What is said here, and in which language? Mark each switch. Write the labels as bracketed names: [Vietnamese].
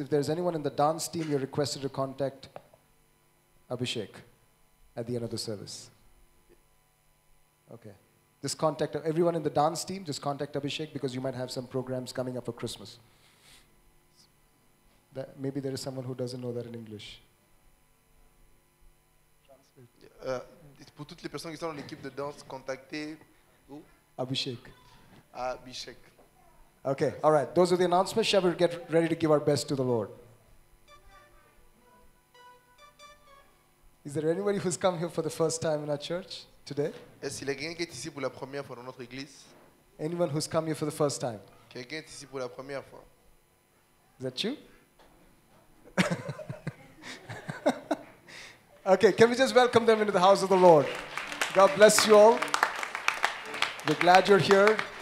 [English] If there's anyone in the dance team, you're requested to contact Abhishek at the end of the service. Okay. Just contact everyone in the dance team, just contact Abhishek because you might have some programs coming up for Christmas. That maybe there is someone who doesn't know that in English. [French] Pour toutes les personnes qui sont dans l'équipe de danse, contactez où? Abhishek. Abhishek. [English] Okay, all right. Those are the announcements. Shall we get ready to give our best to the Lord? Is there anybody who's come here for the first time in our church today? [French] Est-ce qu'il y a quelqu'un qui est ici pour la première fois dans notre église? [English] Anyone who's come here for the first time? [French] Quelqu'un est ici pour la première fois? [English] Is that you? Okay, can we just welcome them into the house of the Lord? God bless you all. We're glad you're here.